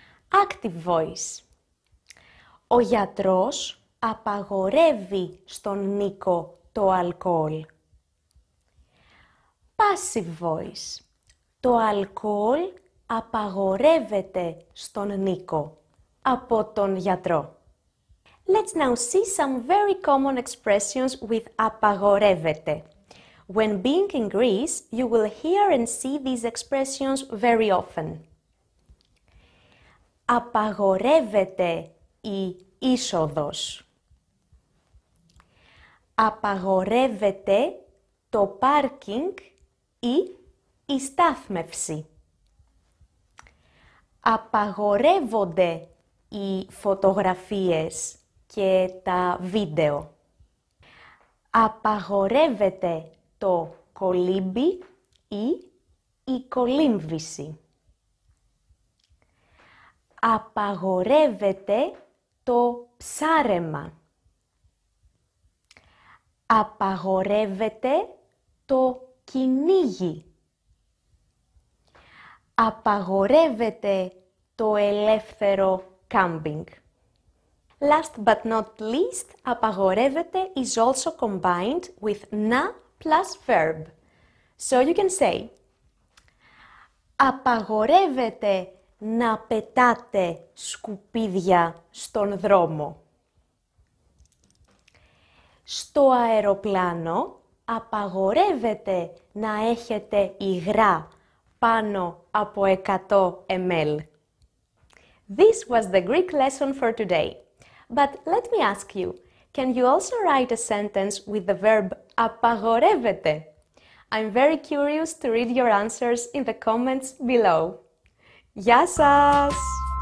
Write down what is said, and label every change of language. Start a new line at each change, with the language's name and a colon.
English: Active voice.
Greek: Ο γιατρός απαγορεύει στον Νίκο το αλκοόλ.
English: Passive voice.
Greek: Το αλκοόλ απαγορεύεται στον Νίκο από τον γιατρό.
English: Let's now see some very common expressions with απαγορεύεται. When being in Greece, you will hear and see these expressions very often.
Greek: Απαγορεύεται η είσοδος. Απαγορεύεται το πάρκινγκ ή η στάθμευση. Απαγορεύονται οι φωτογραφίες και τα βίντεο. Απαγορεύεται το κολύμπι ή η κολύμβηση. Απαγορεύεται το ψάρεμα. Απαγορεύεται το κυνήγι. Απαγορεύεται το ελεύθερο κάμπινγκ.
English: Last but not least, απαγορεύεται is also combined with να plus verb. So you can say
Greek: απαγορεύεται να πετάτε σκουπίδια στον δρόμο. Στο αεροπλάνο απαγορεύεται να έχετε υγρά πάνω από 100 ml.
English: This was the Greek lesson for today. But let me ask you, can you also write a sentence with the verb απαγορεύεται? I'm very curious to read your answers in the comments below.
Greek: Γεια σας!